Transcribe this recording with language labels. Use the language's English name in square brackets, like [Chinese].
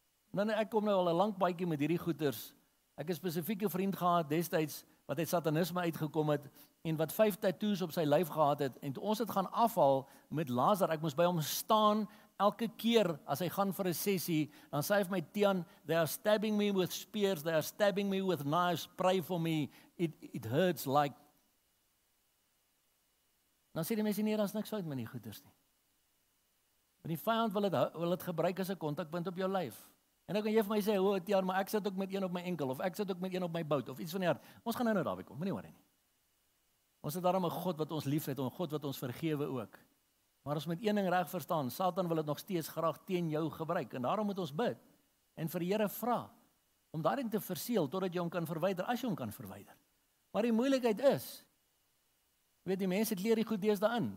[Afrikaans] Nou, ek kom nou al 'n lang paadjie met hierdie goeters. Ek het 'n spesifieke vriend gehad destyds, wat uit satanisme uitgekom het, en wat 5 tattoos op sy lyf gehad het, en toe ons het gaan afhaal met laser, ek moes by hom staan, elke keer as hy gaan vir 'n sessie, dan sê hy vir my, Tian, [English] they are stabbing me with spears, they are stabbing me with knives, pray for me, it hurts like... [Afrikaans] Dan sê die mense, nee, daar is niks uit met die goeders nie. Maar die vijand wil het gebruik as 'n contactpunt op jou lyf. En dan kan jy vir my sê, oh, Tian, maar ek sit ook met een op my enkel, of ek sit ook met een op my bout, of iets van die hart. Ons gaan nou daarby kom, moenie worry nie. Ons het daarom 'n God wat ons lief het, 'n God wat ons vergewe ook. Maar ons moet een ding reg verstaan, Satan wil het nog steeds graag teen jou gebruik, en daarom moet ons bid, en vir die Here vra, om daarin te verseel, totdat jy hom kan verwyder, as jy hom kan verwyder. Maar die moeilikheid is, weet die mense, kleer die goed deesda in.